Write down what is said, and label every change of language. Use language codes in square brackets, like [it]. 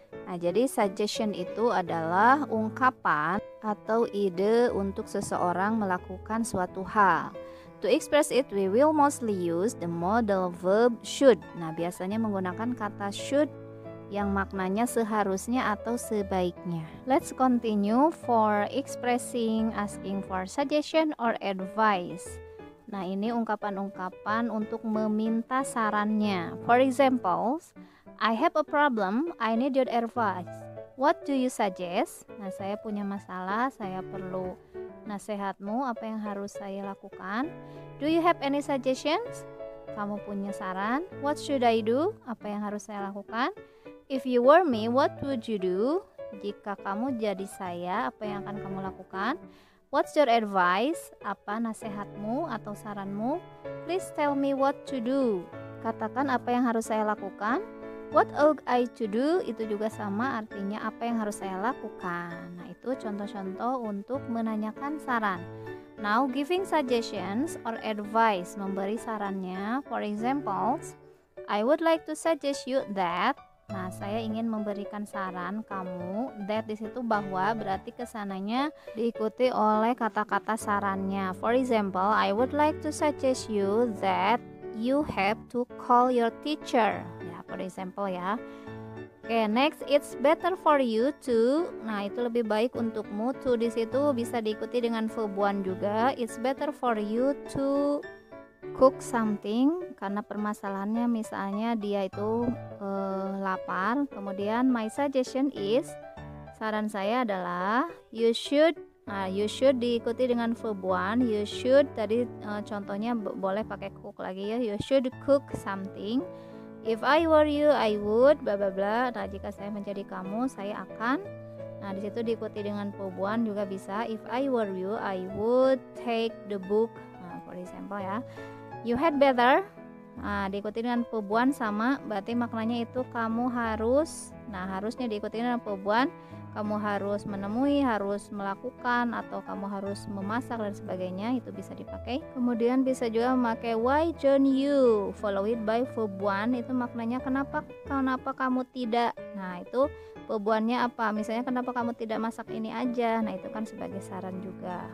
[id] Nah, jadi suggestion itu adalah ungkapan atau ide untuk seseorang melakukan suatu hal. [en] To express it, we will mostly use the modal verb should. [id] Nah, biasanya menggunakan kata should yang maknanya seharusnya atau sebaiknya. [en] Let's continue for expressing asking for suggestion or advice. [id] Nah, ini ungkapan-ungkapan untuk meminta sarannya. [en] For examples, I have a problem, I need your advice. What do you suggest? [id] Nah, saya punya masalah, saya perlu nasihatmu, apa yang harus saya lakukan? [en] Do you have any suggestions? [id] Kamu punya saran? [en] What should I do? [id] Apa yang harus saya lakukan? [en] If you were me, what would you do? [id] Jika kamu jadi saya, apa yang akan kamu lakukan? [en] What's your advice? [id] Apa nasihatmu atau saranmu? [en] Please tell me what to do. [id] Katakan apa yang harus saya lakukan. [en] What ought I to do? [id] Itu juga sama artinya apa yang harus saya lakukan. Nah, itu contoh-contoh untuk menanyakan saran. [en] Now, giving suggestions or advice. [id] Memberi sarannya. [en] For example, I would like to suggest you that. [id] Nah, saya ingin memberikan saran kamu. That di situ bahwa, berarti kesananya diikuti oleh kata-kata sarannya. [en] For example, I would like to suggest you that you have to call your teacher. Ya, for example ya. Okay, next, it's better for you to. [id] Nah, itu lebih baik untukmu. To di situ bisa diikuti dengan verb one juga. [en] It's better for you to cook something, [id] karena permasalahannya misalnya dia itu lapar. Kemudian [en] my suggestion is, [id] saran saya adalah [en] you should [id] diikuti dengan verb one. [en] You should [id] tadi contohnya boleh pakai cook lagi ya. [en] You should cook something. If I were you, I would bla bla bla. [id] Nah, jika saya menjadi kamu, saya akan. Nah, di situ diikuti dengan verb one juga bisa. [en] If I were you, I would take the book. Nah, for example ya. You had better, [id] nah, diikuti dengan verb one sama, berarti maknanya itu kamu harus, nah, harusnya diikuti dengan verb one, kamu harus menemui, harus melakukan, atau kamu harus memasak dan sebagainya, itu bisa dipakai. Kemudian bisa juga memakai [en] why don't you, follow it by verb one, [id] itu maknanya kenapa kamu tidak, nah, itu verb one-nya apa, misalnya kenapa kamu tidak masak ini aja, nah, itu kan sebagai saran juga.